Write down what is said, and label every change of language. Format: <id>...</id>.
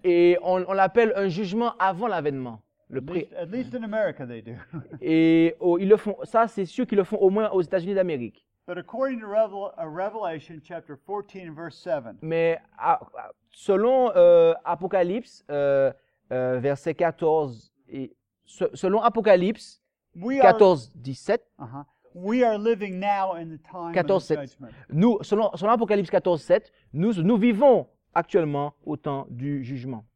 <fr>Et on l'appelle un jugement avant l'avènement.</fr> <en>At least in America, they do.</en> <fr>Et ils le font. Ça, c'est sûr qu'ils le font au moins aux États-Unis d'Amérique.</fr> <en>But according to Revelation chapter 14 verse 7.</en> <fr>Mais selon Apocalypse verset 14 et selon Apocalypse 14:17.</fr> <en>We are living now in the time 14, of the judgment.</en> <fr>Nous, selon Apocalypse 14:7, nous vivons actuellement au temps du jugement.</fr>